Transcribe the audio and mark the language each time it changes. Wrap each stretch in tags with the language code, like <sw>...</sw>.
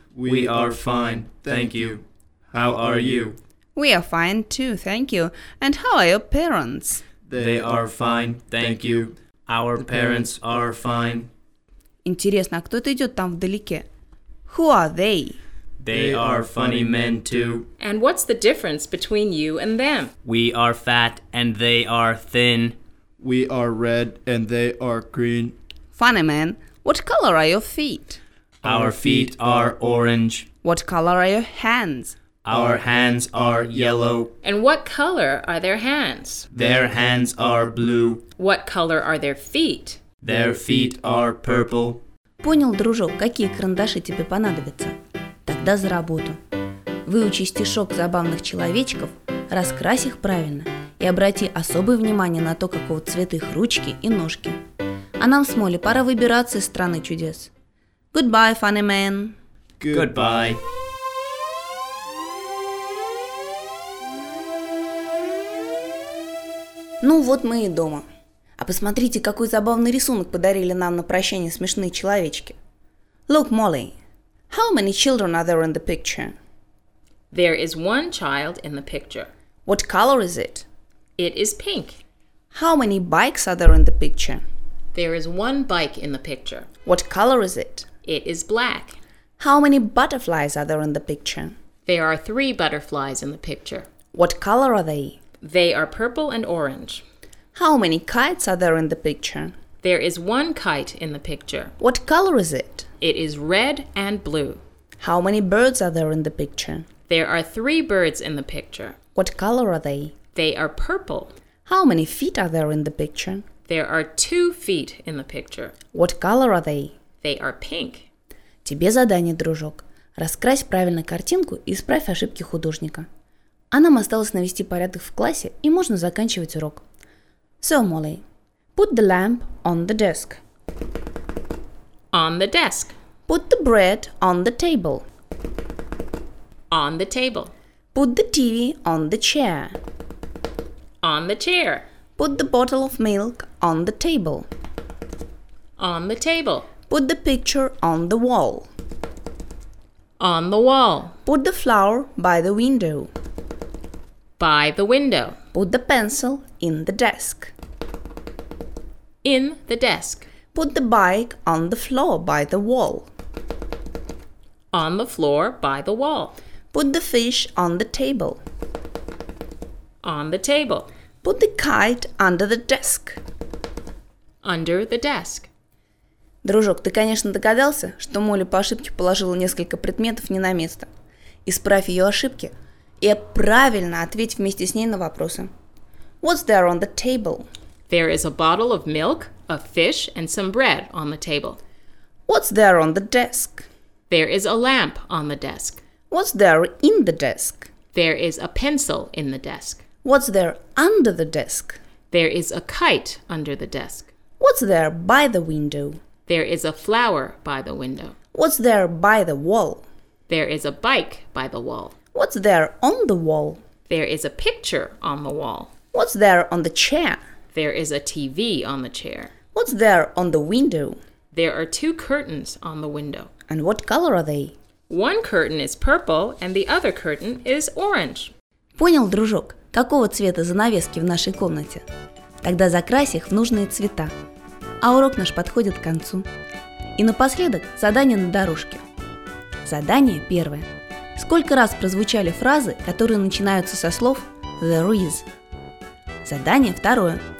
<en>We are fine, thank you. How are you? We are fine too, thank you. And how are your parents? They are fine, thank you. Our parents are fine.</en> <ru>Интересно, кто это идет там вдалеке?</ru> <en>Who are they? They are funny men too. And what's the difference between you and them? We are fat and they are thin. We are red and they are green. Funny men, what color are your feet? Our feet are orange. What color are your hands? Our hands are yellow. And what color are their hands? Their hands are blue. What color are their feet? Their feet are purple.</en> <ru>Понял, дружок, какие карандаши тебе понадобятся? Тогда за работу. Выучи стишок забавных человечков, раскрась их правильно и обрати особое внимание на то, какого цвета их ручки и ножки. А нам с Молли пора выбираться из страны чудес.</ru> <en>Goodbye, funny man. Goodbye.</en> <ru>Ну вот мы и дома. А посмотрите, какой забавный рисунок подарили нам на прощание смешные человечки.</ru> <en>Look, Molly. How many children are there in the picture? There is one child in the picture. What color is it? It is pink. How many bikes are there in the picture? There is one bike in the picture. What color is it? It is black. How many butterflies are there in the picture? There are three butterflies in the picture. What color are they? They are purple and orange. How many kites are there in the picture? There is one kite in the picture. What color is it? It is red and blue. How many birds are there in the picture? There are three birds in the picture. What color are they? They are purple. How many feet are there in the picture? There are two feet in the picture. What color are they? They are pink.</en> <ru>Тебе задание, дружок. Раскрась правильно картинку и исправь ошибки художника. А нам осталось навести порядок в классе, и можно заканчивать урок.</ru> <en>So, Molly, put the lamp on the desk. On the desk. Put the bread on the table. On the table. Put the TV on the chair. On the chair. Put the bottle of milk on the table. On the table. Put the picture on the wall. On the wall. Put the flower by the window. By the window. Put the pencil in the desk. In the desk. Put the bike on the floor by the wall. On the floor by the wall. Put the fish on the table. On the table. Put the kite under the desk. Under the desk.</en> <ru>Дружок, ты, конечно, догадался, что Молли по ошибке положила несколько предметов не на место. Исправь ее ошибки и правильно ответь вместе с ней на вопросы.</ru> <en>What's there on the table? There is a bottle of milk, a fish, and some bread on the table. What's there on the desk? There is a lamp on the desk. What's there in the desk? There is a pencil in the desk. What's there under the desk? There is a kite under the desk. What's there by the window? There is a flower by the window. What's there by the wall? There is a bike by the wall. What's there on the wall? There is a picture on the wall. What's there on the chair? There is a TV on the chair. What's there on the window? There are two curtains on the window. And what color are they? One curtain is purple and the other curtain is orange.</en> <ru>Понял, дружок, какого цвета занавески в нашей комнате? Тогда закрась их в нужные цвета. А урок наш подходит к концу. И напоследок задание на дорожке. Задание первое. Сколько раз прозвучали фразы, которые начинаются со слов</ru> <en>«there is»?</en> <ru>Задание второе.</ru>